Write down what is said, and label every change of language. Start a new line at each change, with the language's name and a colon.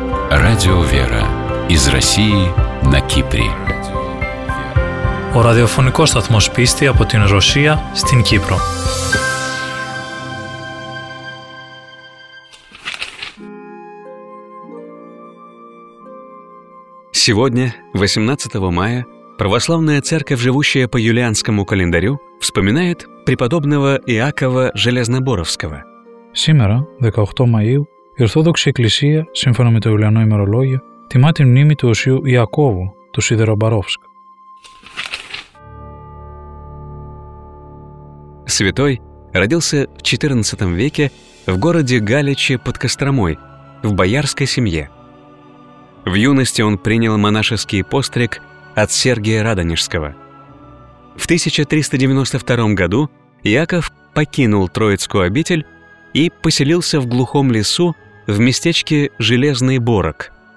Russian: Радио «Вера» из России на Кипре.
Greek: Ο ραδιοφωνικός σταθμός πίστη από την Ρωσία στην Κύπρο.
Russian: Сегодня, 18 мая, Православная Церковь, живущая по юлианскому календарю, вспоминает преподобного Иакова Железноборовского. Сегодня, 18 мая,
Greek: η Ορθόδοξη Εκκλησία, σύμφωνα με το Ιουλιανό ημερολόγιο, τιμά την μνήμη του Οσίου Ιακώβου, του Σιδερομπαρόφσκ.
Russian: Святой родился в 14 веке в городе Галиче под Костромой, в боярской семье. В юности он принял монашеский постриг от Сергия Радонежского. В 1392 году Иаков покинул Троицкую обитель и поселился в глухом лесу в местечке Железный Борок.